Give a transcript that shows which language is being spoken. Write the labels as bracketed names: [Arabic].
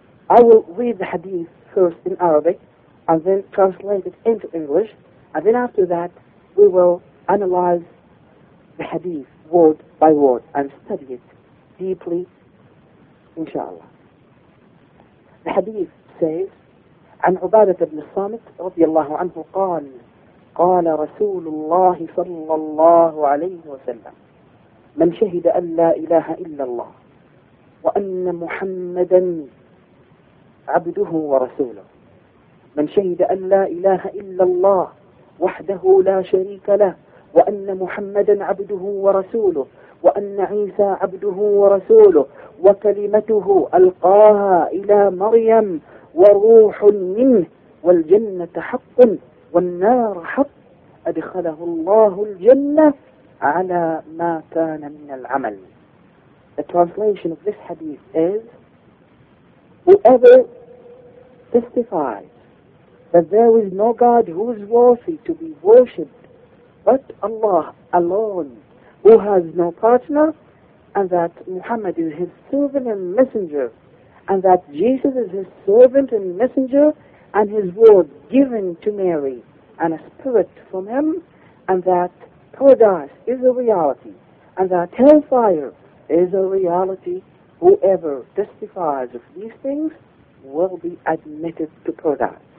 [English] I will read the hadith first in Arabic and then translate it into English, and then after that we will analyze the hadith word by word and study it deeply, inshallah. The hadith says, [Arabic] عن عبادة بن الصامت رضي الله عنه قال قال رسول الله صلى الله عليه وسلم من شهد أن لا إله إلا الله وأن محمدا عبده ورسوله من شهد أن لا إله إلا الله وحده لا شريك له وأن محمدا عبده ورسوله وأن عيسى عبده ورسوله وكلمته ألقاها إلى مريم وروح منه والجنة حق والنار حق أدخله الله الجنة على ما كان من العمل. [English] The translation of this hadith is, whoever testifies that there is no God who is worthy to be worshipped but Allah alone, who has no partner, and that Muhammad is his servant and messenger, and that Jesus is his servant and messenger, and his word given to Mary, and a spirit from him, and that paradise is a reality, and that hellfire is a reality, whoever testifies of these things will be admitted to paradise.